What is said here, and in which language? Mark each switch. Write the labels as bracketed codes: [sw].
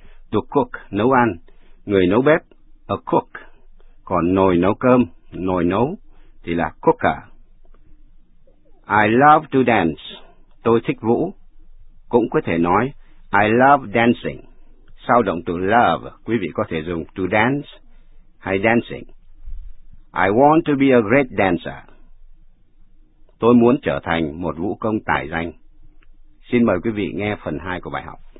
[en] To cook, [vi] nấu ăn, người nấu bếp, [en] a cook, [vi] còn nồi nấu cơm, nồi nấu, thì là cooker. [en] I love to dance, [vi] tôi thích vũ, cũng có thể nói, [en] I love dancing. [vi] Sau động từ love, quý vị có thể dùng to dance hay dancing. [en] I want to be a great dancer. [vi] Tôi muốn trở thành một vũ công tài danh. Xin mời quý vị nghe phần 2 của bài học.